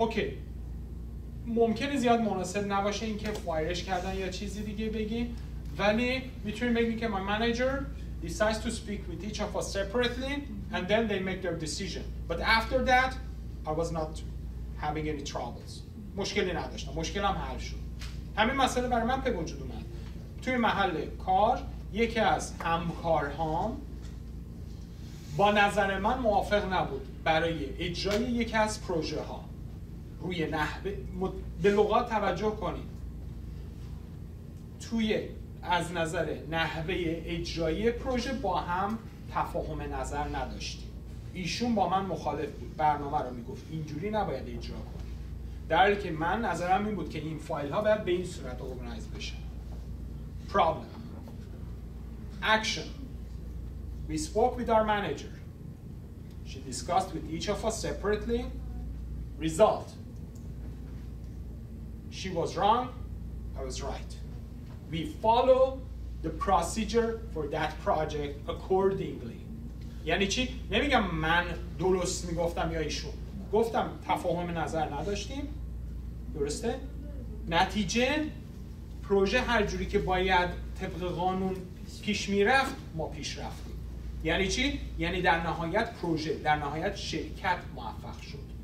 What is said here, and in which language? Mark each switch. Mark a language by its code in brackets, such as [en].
[fa] Okay. ممکنه زیاد مناسب نباشه این که فایرش کردن یا چیزی دیگه بگیم، ولی میتونیم بگیم که [en] my manager decides to speak with each of us separately and then they make their decision. But after that, I was not having any troubles. [fa] مشکلی نداشتم. مشکلم حل شد. همین مسئله برای من به وجود اومد. توی محل کار یکی از همکارهام با نظر من موافق نبود برای اجرای یکی از پروژه ها. روی نحوه به لغات توجه کنید، توی از نظر نحوه اجرایی پروژه با هم تفاهم نظر نداشتیم. ایشون با من مخالف بود، برنامه رو میگفت اینجوری نباید اجرا کنی، در حالی که من نظرم این بود که این فایل ها باید به این صورت اورگانایز بشن. پرابلم [en] action. We spoke with our manager. She discussed with each of us separately. Result. She was wrong, I was right. We follow the procedure for that project accordingly. [fa] یعنی چی؟ نمیگم من درست میگفتم یا ایشون. گفتم تفاهم نظر نداشتیم. درسته؟ نتیجه پروژه هر جوری که باید طبق قانون پیش میرفت ما پیش رفتیم. یعنی چی؟ یعنی در نهایت پروژه، در نهایت شرکت موفق شد.